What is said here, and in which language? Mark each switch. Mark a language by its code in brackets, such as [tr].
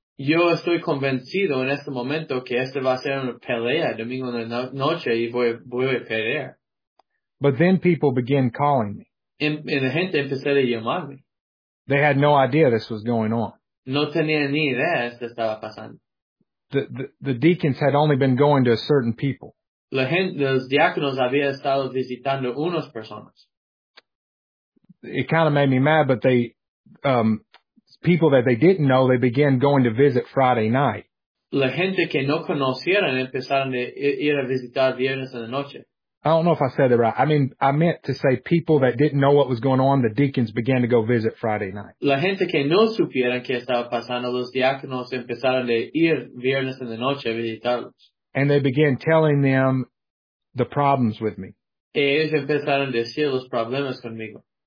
[es] Yo estoy convencido en este momento que este va a ser una pelea domingo en la noche y voy a perder. [en] But then people begin calling me. [es] Y la gente empezó a llamarme. [en] They had no idea this was going on. [es] No tenían ni idea esto estaba pasando. [en] The deacons had only been going to a certain people. [es] La gente, los diáconos había estado visitando unas personas. [en] It kind of made me mad, but they, people that they didn't know, they began going to visit Friday night. [es] La gente que no conocieron empezaron a ir a visitar viernes en la noche. [en] I don't know if I said it right. I mean, I meant to say people that didn't know what was going on, the deacons began to go visit Friday night. [es] La gente que no supieron qué estaba pasando, los diáconos empezaron a ir viernes en la noche a visitarlos. [en] And they began telling them the problems with me. [es] Y ellos empezaron a decir los problemas conmigo.